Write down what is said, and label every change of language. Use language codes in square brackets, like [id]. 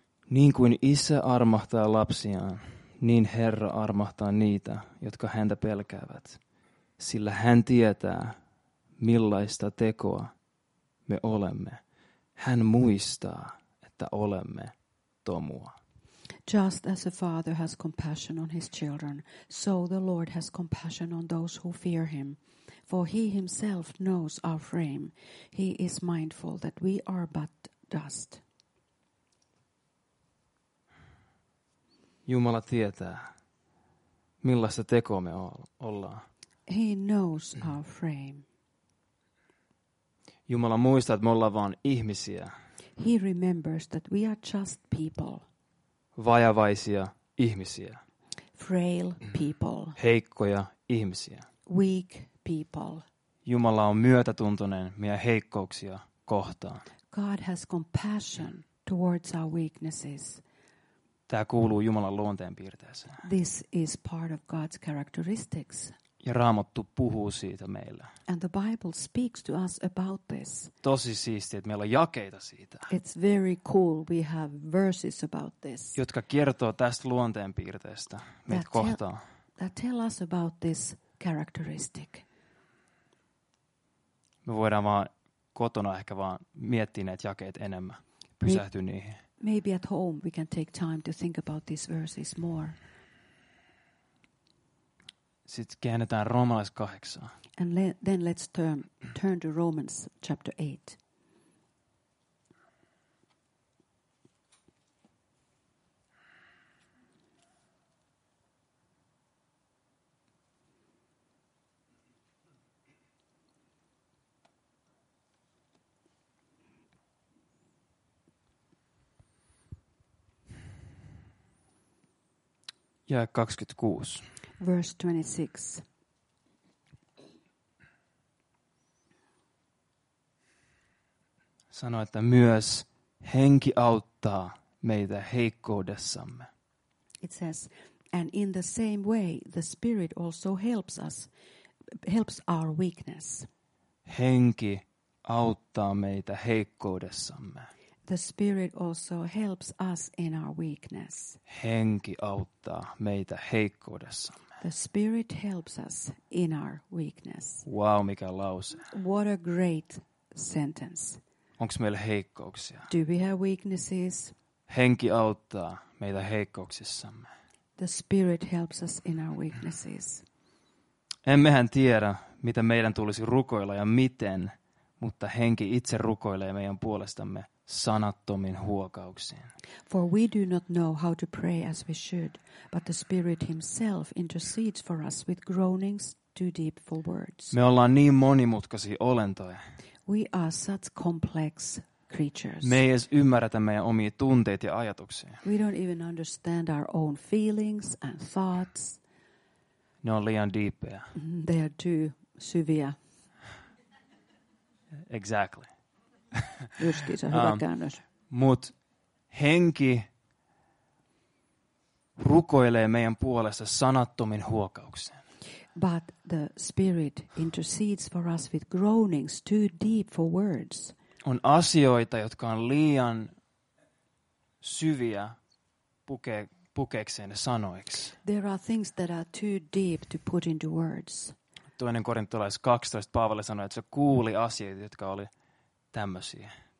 [fi] Niin kuin isä armahtaa lapsiaan, niin Herra armahtaa niitä, jotka häntä pelkäävät. Sillä hän tietää, millaista tekoa me olemme. Hän muistaa, että olemme tomua. [en] Just as a father has compassion on his children, so the Lord has compassion on those who fear him. For he himself knows our frame. He is mindful that we are but dust. [fi] Jumala tietää, millaista tekoa me ollaan. [en] He knows our frame. [fi] Jumala muistaa, että me ollaan vain ihmisiä. [en] He remembers that we are just people. [fi] Vajavaisia ihmisiä. [en] Frail people. [fi] Heikkoja ihmisiä. [en] Weak people. [fi] Jumala on myötätuntoinen meidän heikkouksia kohtaan. [en] God has compassion towards our weaknesses. [fi] Tämä kuuluu Jumalan luonteen piirteeseen. [en] This is part of God's characteristics. [fi] Ja Raamattu puhuu siitä meille. [en] And the Bible speaks to us about this. [fi] Tosi siistiä, että meillä on jakeita siitä. [en] It's very cool we have verses about this. [fi] Jotka kertoo tästä luonteen piirteestä meitä kohtaan. [en] That tell us about this characteristic. [fi] Me voidaan vaan kotona ehkä vaan miettiä näitä jakeet enemmän. Pysähty niihin. [en] Maybe at home we can take time to think about these verses more. [fi] Sitten käännetään Roomalais 8. [en] And then let's turn to Romans chapter 8. [fi] Ja 26. [en] Verse 26. [fi] Sano, että myös henki auttaa meitä heikkoudessamme. [en] It says, and in the same way the spirit also helps us, helps our weakness. [fi] Henki auttaa meitä heikkoudessamme. [en] The spirit also helps us in our weakness. [fi] Henki auttaa meitä heikkoudessamme. [en] The spirit helps us in our weakness. [fi] Wow, mikä lause. [en] What a great sentence. [fi] Onko meillä heikkouksia? [en] Do we have weaknesses? [fi] Henki auttaa meitä heikkouksissamme. [en] The spirit helps us in our weaknesses. [fi] Emmehän tiedä, mitä meidän tulisi rukoilla ja miten, mutta henki itse rukoilee meidän puolestamme sanattomin huokauksiin. [en] For we do not know how to pray as we should, but the Spirit himself intercedes for us with groanings too deep for words. [fi] Me ollaan niin monimutkaisia olentoja. [en] We are such complex creatures. [fi] Me ei edes ymmärretä meidän omia tunteita ja ajatuksia. [en] We don't even understand our own feelings and thoughts. [fi] Ne on liian deepiä. [en] They are too [fi] syviä. [en] Exactly. [fi] Justi, se on hyvä käännös. Mut henki rukoilee meidän puolesta sanattomin huokauksen. [en] But the spirit intercedes for us with groanings too deep for words. [fi] On asioita, jotka on liian syviä pukeekseen sanoiksi. [en] There are things that are too deep to put into words. [fi] Toinen korintolais 12, Paavali sanoi, että se kuuli asioita, jotka oli tämmöisiä.